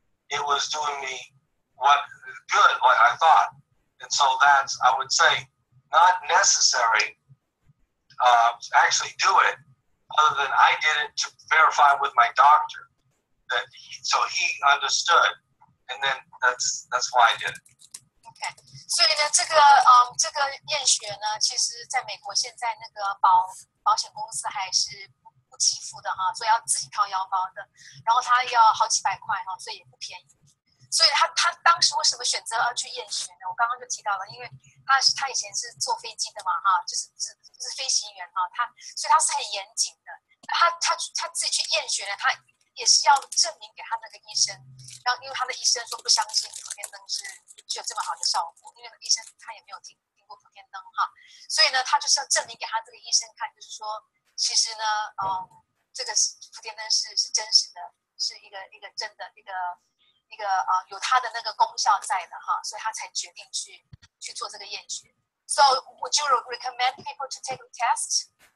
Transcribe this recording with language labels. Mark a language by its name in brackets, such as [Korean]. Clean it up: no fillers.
[English] it was doing me what good, what I thought. And so that's, I would say, not necessary to actually do it, other than I did it to verify with my doctor that he, so he understood, and then that's why I did it. Okay. [Chinese] 所以呢，这个这个验血呢，其实在美国现在那个保险公司还是不给付的哈，所以要自己掏腰包的。然后他要好几百块哈，所以也不便宜。所以他当时为什么选择要去验血呢？我刚刚就提到了，因为他以前是坐飞机的嘛哈，就是飞行员哈，所以他是很严谨的。他自己去验血呢，他也是要证明给他那个医生，然后因为他的医生说不相信可变灯是。具有这么好的效果，因为医生他也没有听过普天灯哈，所以呢，他就是要证明给他这个医生看，就是说，其实呢，这个普天灯是真实的，是一个真的一个有他的那个功效在的哈，所以他才决定去做这个验血。 [English] So would you recommend people to take the test?